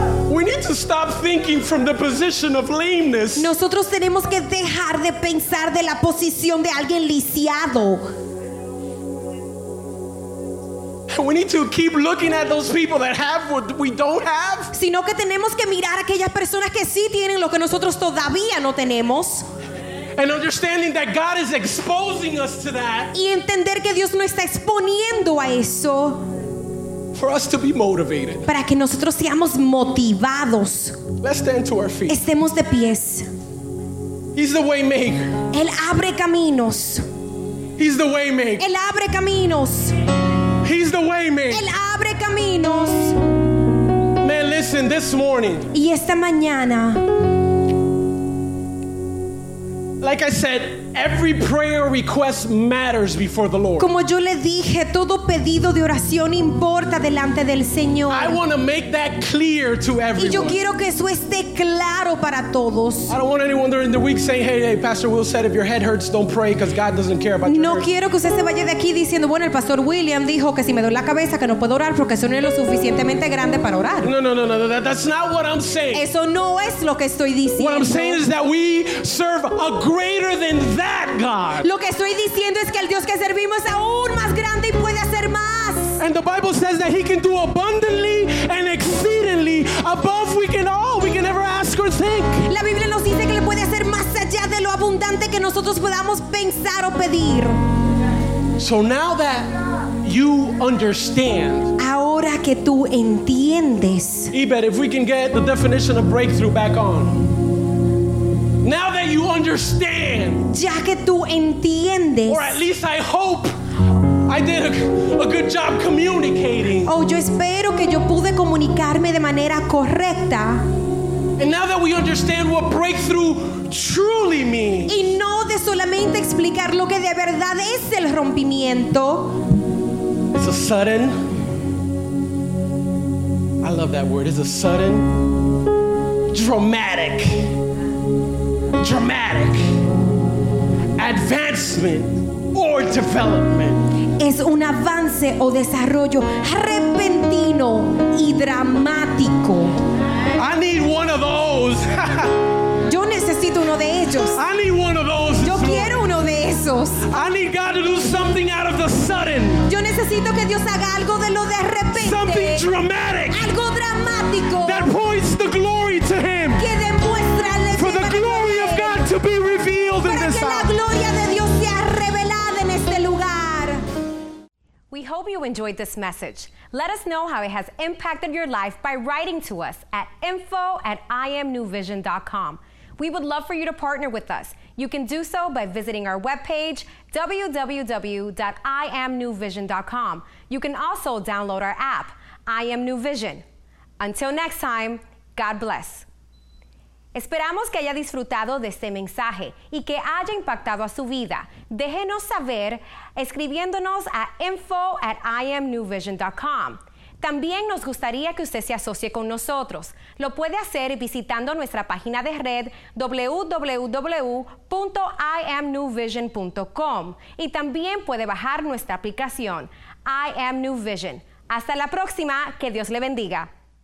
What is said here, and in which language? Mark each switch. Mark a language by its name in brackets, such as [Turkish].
[English] We need to stop thinking from the position of lameness. [Spanish] Nosotros tenemos que dejar de pensar de la posición de alguien lisiado. [English] We need to keep looking at those people that have what we don't have. [Spanish] Sino que tenemos que mirar a aquellas personas que sí tienen lo que nosotros todavía no tenemos. [English] And understanding that God is exposing us to that. [Spanish] Y entender que Dios nos está exponiendo a eso. [English] For us to be motivated. [Spanish] Para que nosotros seamos motivados. [English] Let's stand to our feet. [Spanish] Estemos de pies. [English] He's the way maker. [Spanish] Él abre caminos. [English] He's the way maker. [Spanish] Él abre caminos. [English] He's the way maker. [Spanish] Él abre caminos. [English] Man, listen, this morning. [Spanish] Y esta mañana. [English] Like I said, every prayer request matters before the Lord. [Spanish] Como yo le dije, todo pedido de oración importa delante del Señor. [English] I want to make that clear to everyone. [Spanish] Y yo quiero que eso esté claro para todos. [English] I don't want anyone during the week saying, hey, Pastor Will said, if your head hurts, don't pray, because God doesn't care about your head. [Spanish] No quiero que usted se vaya de aquí diciendo, bueno, el Pastor William dijo que si me duele la cabeza, que no puedo orar, porque eso no es lo suficientemente grande para orar. [English] No, that's not what I'm saying. [Spanish] Eso no es lo que estoy diciendo. [English] What I'm saying is that we serve a greater than that God. [Spanish] Lo que estoy diciendo es que el Dios que servimos es aún más grande y puede hacer más. [English] And the Bible says that he can do abundantly and exceedingly above we can ever ask or think. [Spanish] La Biblia nos dice que le puede hacer más allá de lo abundante que nosotros podamos pensar o pedir. [English] So now that you understand. [Spanish] Ahora que tú entiendes. [English] Ebet, if we can get the definition of breakthrough back on. Now that you understand, [Spanish] ya que tú entiendes, [English] or at least I hope I did a good job communicating. [Spanish] Oh, yo espero que yo pude comunicarme de manera correcta. [English] And now that we understand what breakthrough truly means, [Spanish] y no de solamente explicar lo que de verdad es el rompimiento. [English] It's a sudden. I love that word. It's a sudden, dramatic. Dramatic advancement or development. [Spanish] Es un avance o desarrollo repentino y dramático. [English] I need one of those. [Spanish] Yo necesito uno de ellos. [English] I need one of those. [Spanish] Yo quiero uno de esos. [English] I need God to do something out of the sudden. [Spanish] Yo necesito que Dios haga algo de lo de repente. [English] Something dramatic. [Spanish] Algo dramático. [English] That points the glory to him. [Spanish] Que demuestra el [English] for the glory. To be revealed in this house. [Spanish] La gloria de Dios sea revelada en este lugar. [English] We hope you enjoyed this message. Let us know how it has impacted your life by writing to us at info@imnewvision.com. We would love for you to partner with us. You can do so by visiting our webpage, www.imnewvision.com. You can also download our app, I Am New Vision. Until next time, God bless. [Spanish] Esperamos que haya disfrutado de este mensaje y que haya impactado a su vida. Déjenos saber escribiéndonos a info@imnewvision.com. También nos gustaría que usted se asocie con nosotros. Lo puede hacer visitando nuestra página de red www.imnewvision.com y también puede bajar nuestra aplicación I Am New Vision. Hasta la próxima. Que Dios le bendiga.